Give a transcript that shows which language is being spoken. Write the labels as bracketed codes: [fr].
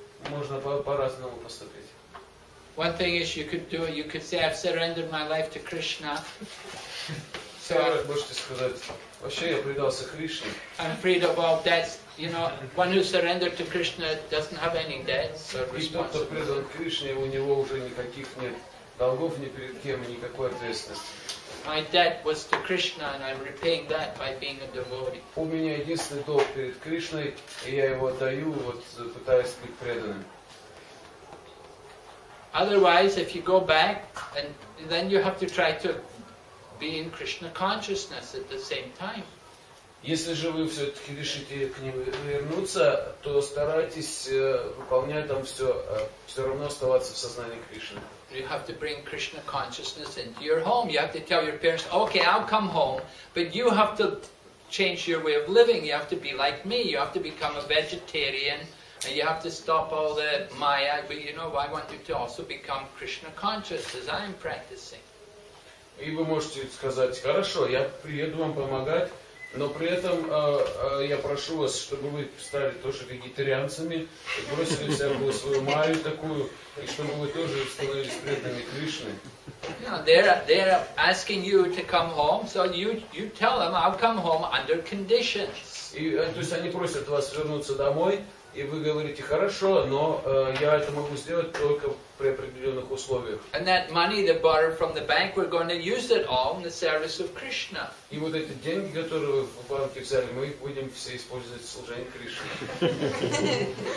[ru] Можно по-разному поступить. [en] One thing is you could do. You could say I've surrendered my life to Krishna. [ru] So можете сказать. Вообще я предался Кришне. [en] I'm freed of all debts. You know, one who surrendered to Krishna doesn't have any debts or responsibilities. [ru] И тот, кто предан Кришне, у него уже никаких нет долгов ни перед кем, никакой ответственности. [en] My debt was to Krishna, and I'm repaying that by being a devotee. [ru] У меня единственный долг перед Кришной, и я его отдаю, вот пытаясь быть преданным. [en] Otherwise, if you go back, and then you have to try to be in Krishna consciousness at the same time. [ru] Если же вы все-таки решите к ним вернуться, то старайтесь выполнять там все, все равно оставаться в сознании Кришны. [en] You have to bring Krishna consciousness into your home. You have to tell your parents, okay, I'll come home, but you have to change your way of living. You have to be like me. You have to become a vegetarian. And you have to stop all the maya. But you know, I want you to also become Krishna conscious as I am practicing. [ru] И вы можете сказать, хорошо, я приеду вам помогать, но при этом я прошу вас, чтобы вы стали тоже вегетарианцами, бросили всякую свою майю такую, и чтобы вы тоже становились преданными Кришны. [en] No, they're asking you to come home, so you tell them, I'll come home under conditions. [ru] И, то есть они просят вас вернуться домой, и вы говорите, хорошо, но я это могу сделать только при определенных условиях. [en] And that money they borrowed from the bank, we're going to use it all in the service of Krishna. [ru] И вот эти деньги, которые вы в банке взяли, мы их будем все использовать в служении Кришне.